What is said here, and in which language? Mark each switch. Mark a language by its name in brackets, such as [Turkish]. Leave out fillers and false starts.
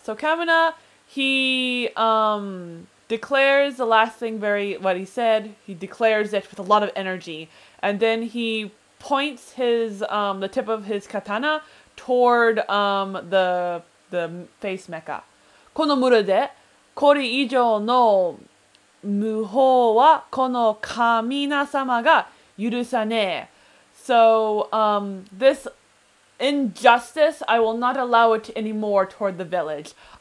[English] So Kamina, he declares the last thing very what he said. He declares it with a lot of energy, and then he points his the tip of his katana toward the face mecha. [Japanese] この村でこれ以上の無法はこの神様が許さねえ。 [English] So, this injustice, I will not allow it anymore toward the village.